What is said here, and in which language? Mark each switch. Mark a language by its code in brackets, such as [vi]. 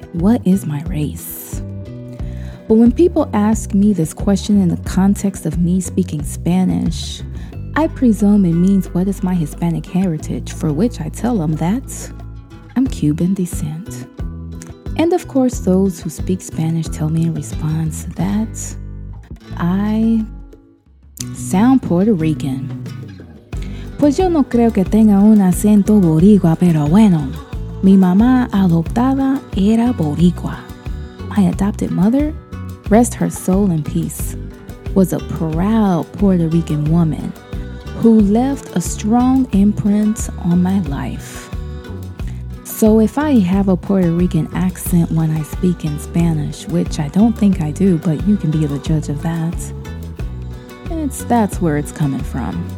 [en] What is my race? But when people ask me this question in the context of me speaking Spanish, I presume it means, what is my Hispanic heritage, for which I tell them that I'm Cuban descent. And of course, those who speak Spanish tell me in response that I sound Puerto Rican. [es] Pues yo no creo que tenga un acento boricua, pero bueno, mi mamá adoptada era boricua. [en] My adopted mother, rest her soul in peace, was a proud Puerto Rican woman who left a strong imprint on my life. So if I have a Puerto Rican accent when I speak in Spanish, which I don't think I do, but you can be the judge of that, that's where it's coming from.